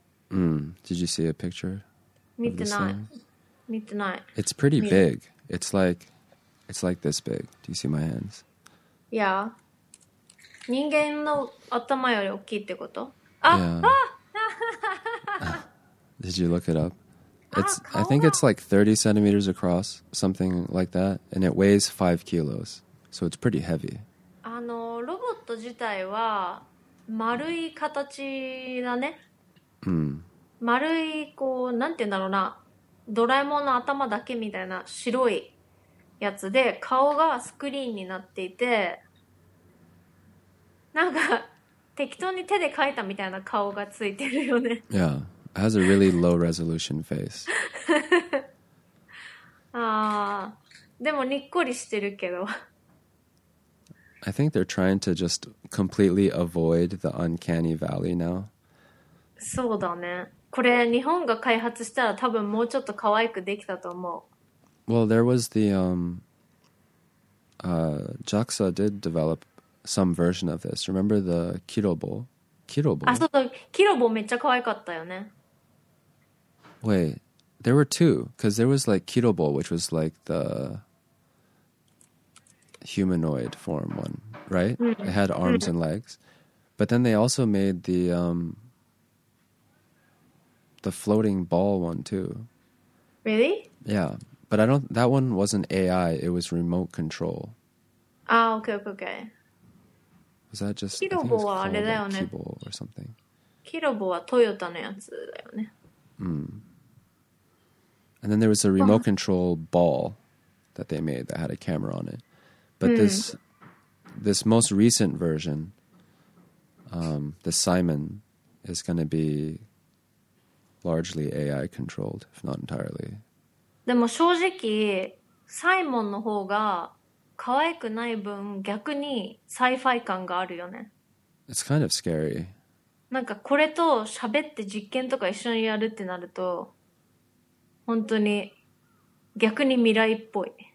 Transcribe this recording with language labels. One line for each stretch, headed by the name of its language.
English: うん。Did you see a picture?
Japanese: 見てない。見てない。
English: It's pretty big. It's like this big. Do you see my hands? Yeah.
Japanese: 人間の頭より大きいってこと？あ、
English: yeah. Did you look it up? I think it's like 30 centimeters across, something like that, and it weighs 5 kilos. So it's pretty heavy.
Japanese: あのロボット自体は丸い形だね、うん、丸いこうなんて言うんだろうな、ドラえもんの頭だけみたいな白いやつで、顔がスクリーンになっていて、なんか適当に手で描いたみたいな顔がついてるよね。
English: Yeah, it has a really low resolution face.
Japanese: あでもにっこりしてるけど、
English: I think they're trying to just completely avoid the uncanny valley now.
Japanese: そうだね。これ日本が開発したら多分もうちょっと可愛くできたと思う。
English: Well, there was the JAXA did develop some version of this. Remember the Kirobo? Kirobo?
Japanese: あ、そうだ。Kirobo めっちゃ可愛かったよね。
English: Wait, there were two. Because there was like Kirobo, which was like the... humanoid form one, right? It had arms and legs. But then they also made the floating ball one too. Really? Yeah. But I don't, that one wasn't AI, it was remote control. Ah, okay. Was that just,
Japanese: Kirobo はあれだよね。
English: Kirobo or something.
Japanese: Kirobo はトヨタのやつだよね。
English: And then there was a remote control ball that they made that had a camera on it. But this most recent version, the Simon, is going to be largely AI controlled, if not entirely.
Japanese: でも正直、サイモンの方が可愛くない分、逆にサイファイ感があるよね。
English: It's kind of scary.
Japanese: なんかこれと喋って実験とか一緒にやるってなると、本当に逆に未来っぽい。